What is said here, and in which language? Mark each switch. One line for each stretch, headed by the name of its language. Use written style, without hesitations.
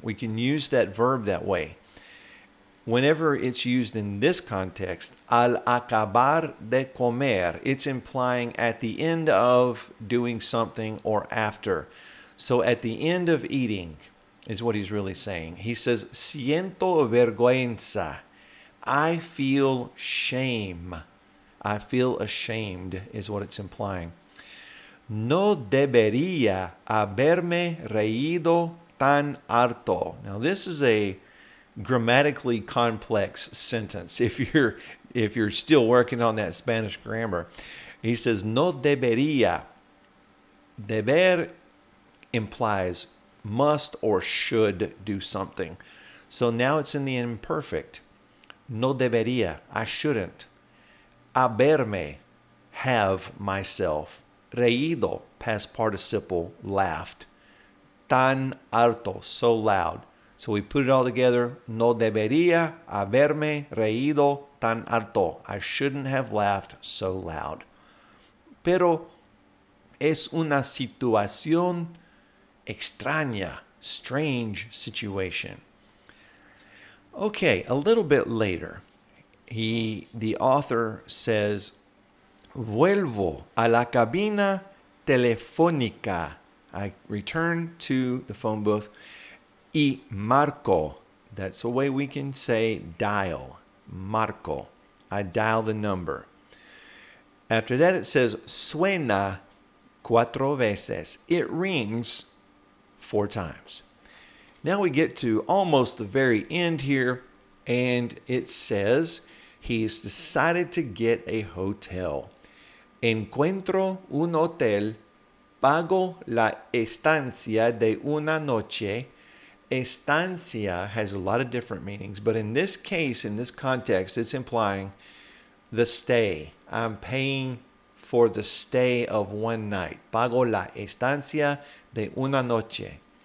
English: We can use that verb that way. Whenever it's used in this context,
Spanish: al acabar de comer,
English: it's implying at the end of doing something or after. So at the end of eating is what he's really saying. He says,
Spanish: siento vergüenza.
English: I feel shame. I feel ashamed is what it's implying.
Spanish: No debería haberme reído tan harto.
English: Now this is a grammatically complex sentence. If you're still working on that Spanish grammar, he says,
Spanish: no debería.
English: Deber implies must or should do something. So now it's in the imperfect.
Spanish: No debería,
English: I shouldn't. Haberme, have myself. Reído, past participle, laughed.
Spanish: Tan alto,
English: so loud. So we put it all together.
Spanish: No debería haberme reído tan alto.
English: I shouldn't have laughed so loud.
Spanish: Pero es una situación extraña,
English: strange situation. Okay, a little bit later, the author says,
Spanish: vuelvo a la cabina telefónica.
English: I return to the phone booth.
Spanish: Y marco,
English: that's a way we can say dial, marco, I dial the number. After that it says,
Spanish: suena cuatro veces,
English: it rings four times. Now we get to almost the very end here, and it says, he's decided to get a hotel.
Spanish: Encuentro un hotel, pago la estancia de una noche.
English: Estancia has a lot of different meanings, but in this case, in this context, it's implying the stay. I'm paying for the stay of one night.
Spanish: Pago la estancia de una noche.